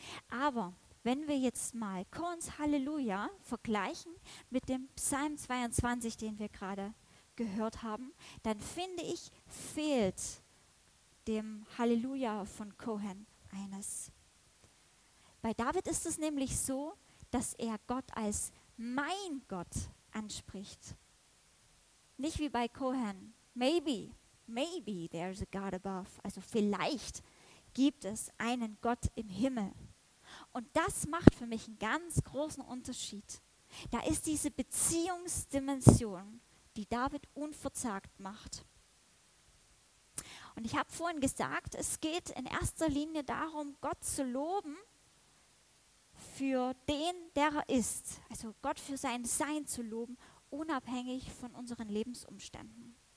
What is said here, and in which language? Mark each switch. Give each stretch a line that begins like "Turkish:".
German: Aber wenn wir jetzt mal Cohens Halleluja vergleichen mit dem Psalm 22, den wir gerade gehört haben, dann finde ich, fehlt dem Halleluja von Cohen eines. Bei David ist es nämlich so, dass er Gott als mein Gott anspricht. Nicht wie bei Cohen.
English: Maybe there's a God above.
German: Also vielleicht gibt es einen Gott im Himmel. Und das macht für mich einen ganz großen Unterschied. Da ist diese Beziehungsdimension, die David unverzagt macht. Und ich habe vorhin gesagt, es geht in erster Linie darum, Gott zu loben, für den, der er ist, also Gott für sein Sein zu loben, unabhängig von unseren Lebensumständen.